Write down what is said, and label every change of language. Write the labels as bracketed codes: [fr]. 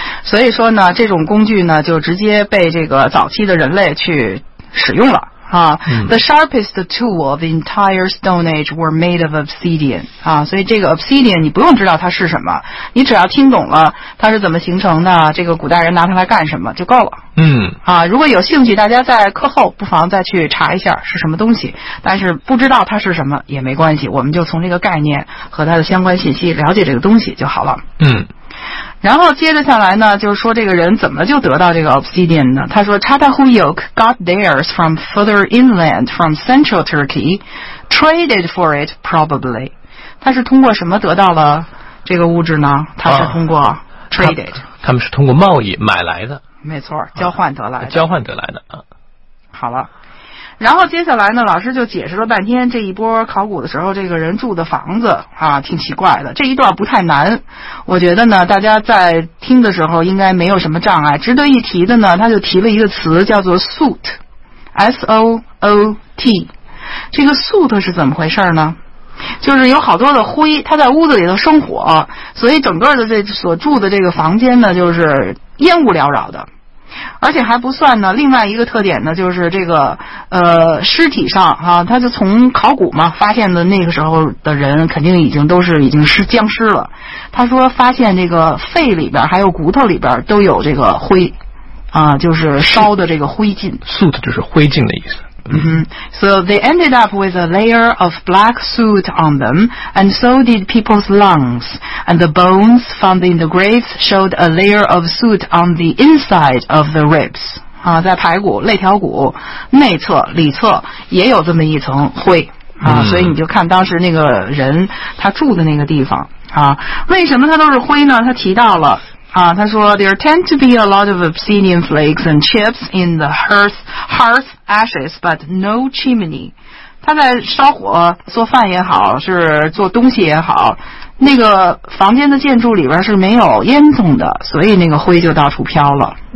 [zh] 所以说呢这种工具呢就直接被这个早期的人类去使用了啊、 [en] The sharpest tool of the entire Stone Age were made of obsidian、 [zh] 所以这个 obsidian 你不用知道它是什么，你只要听懂了它是怎么形成的，这个古代人拿它来干什么就够了。如果有兴趣大家在课后不妨再去查一下是什么东西，但是不知道它是什么也没关系，我们就从这个概念和它的相关信息了解这个东西就好了。然后接着下来呢就是说这个人怎么就得到这个 obsidian 呢，他说 [en] Chatahuyuk got theirs from further inland from central Turkey, traded for it probably. [zh] 他是通过什么得到了这个物质呢？他是通过 traded、他们是通过贸易买来的，没错，交换得来的、交换得来的、好了，然后接下来呢老师就解释了半天这一波考古的时候这个人住的房子啊，挺奇怪的。这一段不太难，我觉得呢大家在听的时候应该没有什么障碍。值得一提的呢他就提了一个词叫做 soot， S-O-O-T， 这个 soot 是怎么回事呢？就是有好多的灰，他在屋子里头生火，所以整个的这所住的这个房间呢就是烟雾缭绕的。而且还不算呢，另外一个特点呢就是这个尸体上啊，他就从考古嘛发现的那个时候的人肯定已经是僵尸了，他说发现这个肺里边还有骨头里边都有这个灰啊，就是烧的这个灰烬， soot 就是灰烬的意思。 [en] So they ended up with a layer of black soot on them, and so did people's lungs. And the bones found in the graves showed a layer of soot on the inside of the ribs. [zh] 啊，在排骨、肋条骨内侧、里侧也有这么一层灰啊，所以你就看当时那个人他住的那个地方啊，为什么他都是灰呢？他提到了。他说 [en] There tend to be a lot of obsidian flakes and chips in the hearth ashes, but no chimney. [zh] 他在烧火做饭也好，是做东西也好，那个房间的建筑里边是没有烟囱的，所以那个灰就到处飘了。